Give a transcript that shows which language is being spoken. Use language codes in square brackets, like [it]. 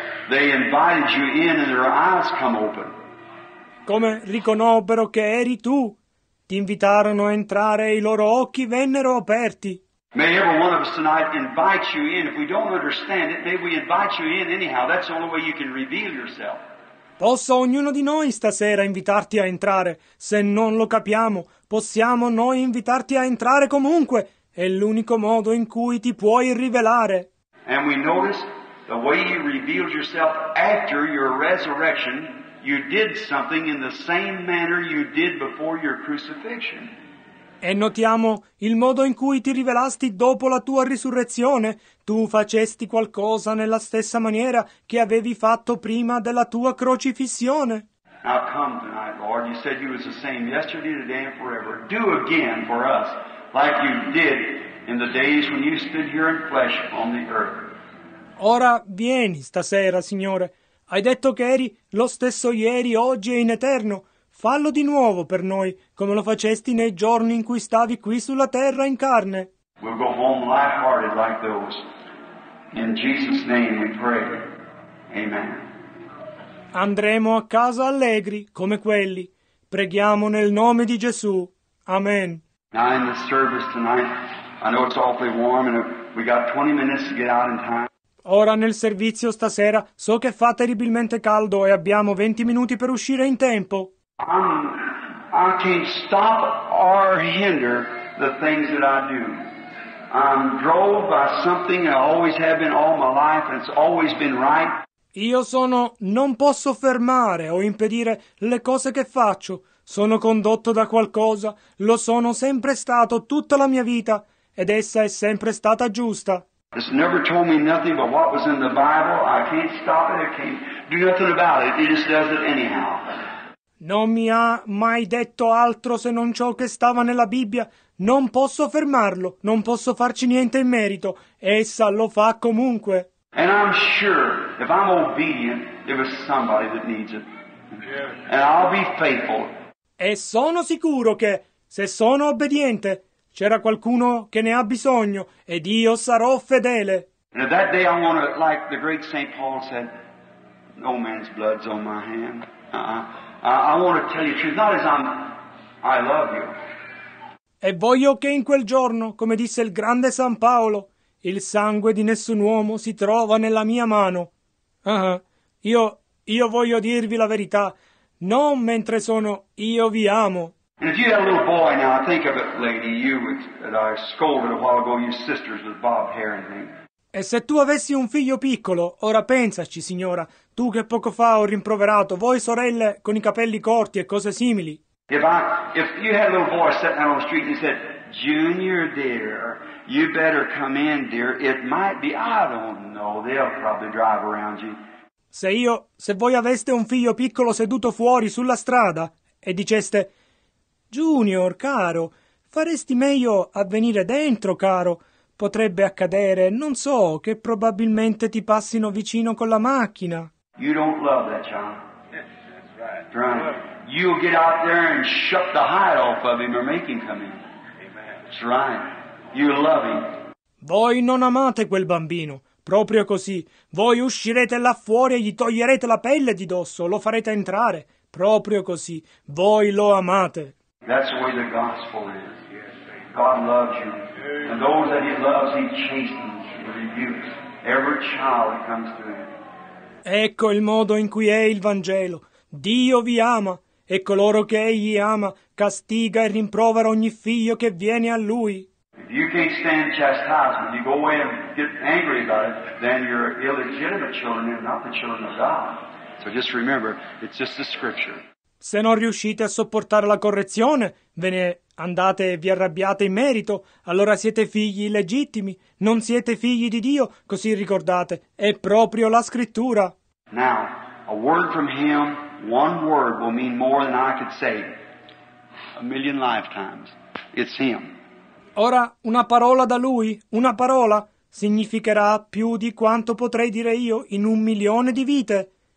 [en] They invited you in and their eyes come open. [it] Come riconobbero che eri tu. Ti invitarono a entrare e i loro occhi vennero aperti. [en] May every one of us tonight invite you in. If we don't understand it, may we invite you in anyhow. That's the only way you can reveal yourself. [it] Posso ognuno di noi stasera invitarti a entrare. Se non lo capiamo, possiamo noi invitarti a entrare comunque. È l'unico modo in cui ti puoi rivelare. [en] And we notice the way you revealed yourself after your resurrection. You did something in the same manner you did before your crucifixion. [it] E notiamo il modo in cui ti rivelasti dopo la tua risurrezione. Tu facesti qualcosa nella stessa maniera che avevi fatto prima della tua crocifissione. [en] Now come tonight, Lord. You said you was the same yesterday, today, and forever. Do again for us like you did in the days when you stood here in flesh on the earth. [it] Ora vieni stasera, Signore. Hai detto che eri lo stesso ieri, oggi e in eterno. Fallo di nuovo per noi, come lo facesti nei giorni in cui stavi qui sulla terra in carne. [en] We'll go home lighthearted like those. In Jesus' name we pray. Amen. [it] Andremo a casa allegri, come quelli. Preghiamo nel nome di Gesù. Amen. [en] Now in the service tonight, I know it's awfully warm and we got 20 minutes to get out in time. [it] Ora nel servizio stasera so che fa terribilmente caldo e abbiamo 20 minuti per uscire in tempo. [en] I can't stop or hinder the things that I do. I'm drove by something I always have been all my life and it's always been right. [it] Io sono non posso fermare o impedire le cose che faccio. Sono condotto da qualcosa, lo sono sempre stato tutta la mia vita ed essa è sempre stata giusta. [en] It's never told me nothing but what was in the Bible. I can't stop it. I can't do nothing about it. It just does it anyhow. [it] Non mi ha mai detto altro se non ciò che stava nella Bibbia. Non posso fermarlo. Non posso farci niente in merito. Essa lo fa comunque. [en] And I'm sure if I'm obedient, there is somebody that needs it. And I'll be faithful. [it] E sono sicuro che se sono obbediente. C'era qualcuno che ne ha bisogno, ed io sarò fedele. [en] And that day I want to, like the great St. Paul said, no man's blood's on my hand. I want to tell you the truth, not as I love you. [it] E voglio che in quel giorno, come disse il grande San Paolo, il sangue di nessun uomo si trova nella mia mano. Io voglio dirvi la verità, non mentre sono io vi amo. [en] And if you had a little boy now, think of it, lady, you that I scolded a while ago, you sisters with Bob Hare and me. [it] E se tu avessi un figlio piccolo, ora pensaci, signora, tu che poco fa ho rimproverato, voi sorelle con i capelli corti e cose simili. [en] If you had a little boy sitting out on the street and he said, Junior dear, you better come in, dear, it might be, I don't know, they'll probably drive around you. [it] Se voi aveste un figlio piccolo seduto fuori sulla strada e diceste, Junior, caro, faresti meglio a venire dentro, caro. Potrebbe accadere, non so, che probabilmente ti passino vicino con la macchina. [en] You don't love that child. That's right. You'll get out there and shut the hide off of him or make him come in. Amen. That's right. You love him. [it] Voi non amate quel bambino. Proprio così. Voi uscirete là fuori e gli toglierete la pelle di dosso. Lo farete entrare. Proprio così. Voi lo amate. [en] That's the way the gospel is. God loves you. And those that he loves, he chastens and rebukes. Every child that comes to him. [it] Ecco il modo in cui è il Vangelo. Dio vi ama. E coloro che egli ama, castiga e rimprovera ogni figlio che viene a lui. [en] If you can't stand chastisement, you go away and get angry about it, then you're illegitimate children and not the children of God. So just remember, it's just the scripture. [it] Se non riuscite a sopportare la correzione, ve ne andate e vi arrabbiate in merito, allora siete figli illegittimi, non siete figli di Dio, così ricordate, è proprio la scrittura. [en] Now, a word from him, one word will mean more than I could say a million lifetimes. It's him. [it] Ora, una parola da lui, una parola, significherà più di quanto potrei dire io in un milione di vite.